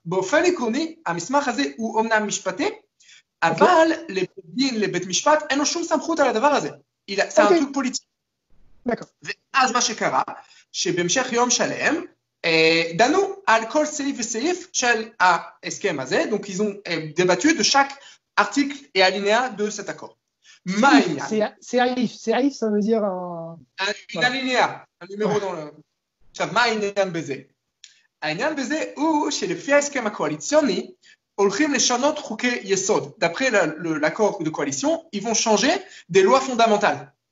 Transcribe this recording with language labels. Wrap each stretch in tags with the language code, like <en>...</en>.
<he>באופן עקרוני, המסמך הזה הוא אומנם משפטי, אבל לבין, לבית משפט, אין לו שום סמכות על הדבר הזה. אלא סמכות פוליטית. ואז מה שקרה, שבהמשך יום שלם, דנו על כל סעיף וסעיף של ההסכם הזה,</he> <fr>donc ils ont débattu de chaque article et alinéa de cet accord.</fr> <he>מה העניין?</he> <fr>סעיף, ça veut dire un alinéa, un numéro dans le...</fr> <he>עכשיו, מה העניין בזה? העניין בזה הוא שלפי ההסכם הקואליציוני, הולכים לשנות חוקי יסוד.</he> <fr>D'après l'accord de coalition, ils vont changer des lois fondamentales.</fr>